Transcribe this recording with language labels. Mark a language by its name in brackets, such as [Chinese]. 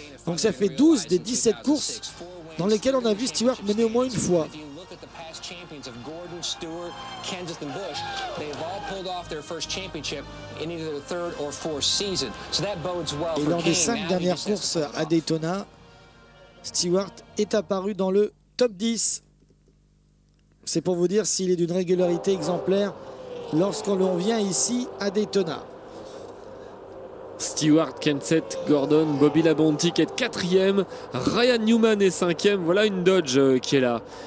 [French] Donc ça fait 12 des 17 courses dans lesquelles on a vu Stewart mener au moins une fois. [English] Champions of Gordon, Stewart, Kenseth and Busch, they've all pulled off their first championship in either the third or fourth season. So that bodes well. [French] Et lors des cinq dernières courses à Daytona, Stewart est apparu dans le top 10. C'est pour vous dire s'il est d'une régularité exemplaire lorsqu'on l'on vient ici à Daytona. Stewart, Kenseth, Gordon, Bobby Labonte qui est quatrième, Ryan Newman est cinquième, voilà une Dodge qui est là.